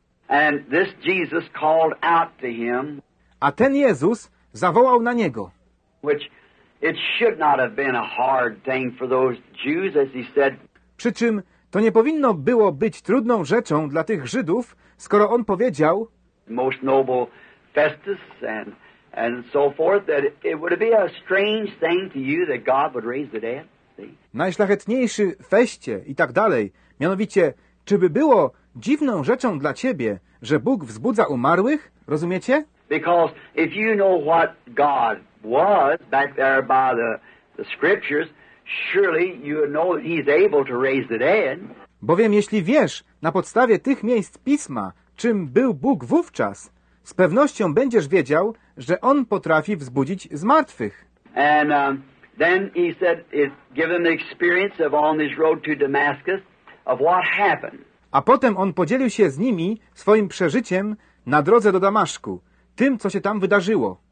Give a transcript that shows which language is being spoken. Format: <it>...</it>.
<en>And this Jesus called out to him.</en> <pl>A ten Jezus zawołał na niego.</pl> <en>Which it should not have been a hard thing for those Jews, as he said.</en> <pl>Przy czym to nie powinno było być trudną rzeczą dla tych Żydów, skoro on powiedział,</pl> <en>most noble Festus and so forth, that it would be a strange thing to you that God would raise the dead.</en> <pl>Najszlachetniejszy Feście i tak dalej. Mianowicie, czy by było dziwną rzeczą dla ciebie, że Bóg wzbudza umarłych? Rozumiecie?</pl> <en>Because if you know what God was back there by the scriptures, surely you know that he's able to raise the dead.</en> <pl>Bowiem jeśli wiesz na podstawie tych miejsc pisma, czym był Bóg wówczas, z pewnością będziesz wiedział, że on potrafi wzbudzić zmartwych.</pl> <en>And then he said, given the experience of on his road to Damascus, of what happened.</en> <pl>A potem on podzielił się z nimi swoim przeżyciem na drodze do Damaszku, tym, co się tam wydarzyło.</pl>